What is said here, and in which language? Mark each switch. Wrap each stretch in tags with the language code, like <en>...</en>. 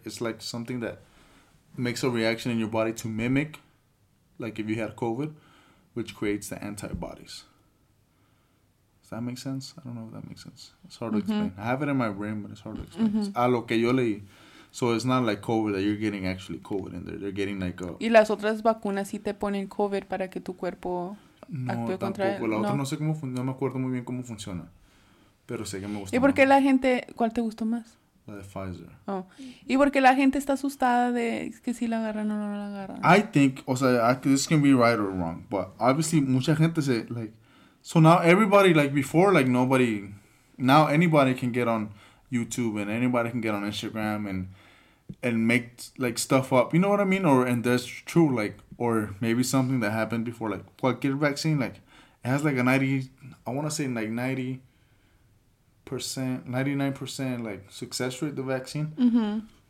<en>It's like something that makes a reaction in your body to mimic, like if you had COVID, which creates the antibodies. Does that make sense? I don't know if that makes sense. It's hard to explain. I have it in my brain, but it's hard to explain.</en> <es>A lo que yo leí.</es> <en>So it's not like COVID that you're getting actually COVID in there. They're getting like a...</en> <es>Y las otras vacunas sí te ponen COVID para que tu cuerpo... No, tampoco. La otra no sé cómo funciona. No me acuerdo muy bien cómo funciona. Pero sé que me gustó. ¿Y por qué la gente... ¿Cuál te gustó más? La de Pfizer. Oh. ¿Y por qué la gente está asustada de que si la agarran o no la agarran?</es> <en>I think...</en> <es>O sea,</es> <en>this can be right or wrong. But obviously,</en> <es>mucha gente se...</es> <en>Like, so now everybody, like before, like nobody... Now anybody can get on YouTube and anybody can get on Instagram and make, like, stuff up. You know what I mean? Or, and that's true, like... Or maybe something that happened before, like, cualquier vaccine, like, it has, like, a 99% like, success rate, the vaccine.</en>